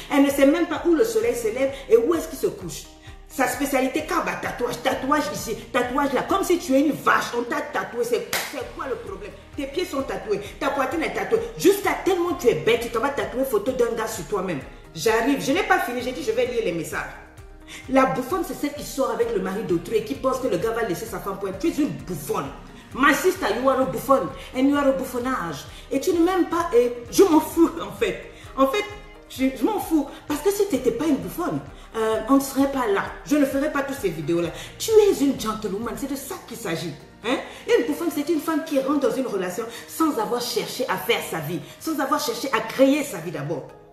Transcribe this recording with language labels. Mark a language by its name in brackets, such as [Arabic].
[French] Elle ne sait même pas où le soleil se lève et où est-ce qu'il se couche. Sa spécialité, car bah, tatouage, tatouage ici, tatouage là, comme si tu es une vache, on t'a tatoué, c'est quoi le problème? Tes pieds sont tatoués, ta poitrine est tatouée, jusqu'à tellement tu es bête, tu t'en vas tatouer photo d'un gars sur toi-même. J'arrive, je n'ai pas fini, j'ai dit je vais lire les messages. La bouffonne, c'est celle qui sort avec le mari d'autrui et qui pense que le gars va laisser sa femme pour elle. Tu es une bouffonne. [English] My sister, you are a bouffonne and you are a bouffonnage. [French] Et tu ne m'aimes pas et je m'en fous en fait. En fait, je m'en fous parce que si tu n'étais pas une bouffonne, on ne serait pas là. Je ne ferais pas toutes ces vidéos-là. Tu es une gentlewoman, c'est de ça qu'il s'agit. Hein? Une bouffonne, c'est une femme qui rentre dans une relation sans avoir cherché à faire sa vie, sans avoir cherché à créer sa vie d'abord.